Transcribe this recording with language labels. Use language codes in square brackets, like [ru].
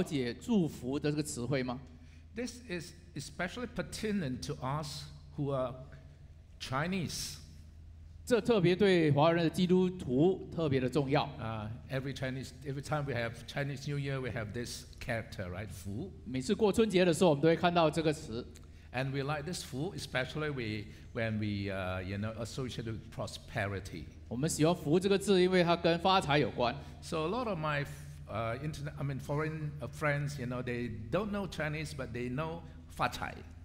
[zh] 但是从圣经的角度，我们真的了解祝福的这个词汇吗？ [en] This is especially pertinent to us who are Chinese. [zh] 这特别对华人的基督徒特别的重要。 [en] Every time we have Chinese New Year, we have this character, right? [zh] 福。每次过春节的时候，我们都会看到这个词。 [en] And we like this fu, especially when we associate with prosperity. [zh] 我们喜欢福这个字，因为它跟发财有关。 [en] So a lot of my foreign friends, you know, they don't know Chinese, but they know [zh] 发财。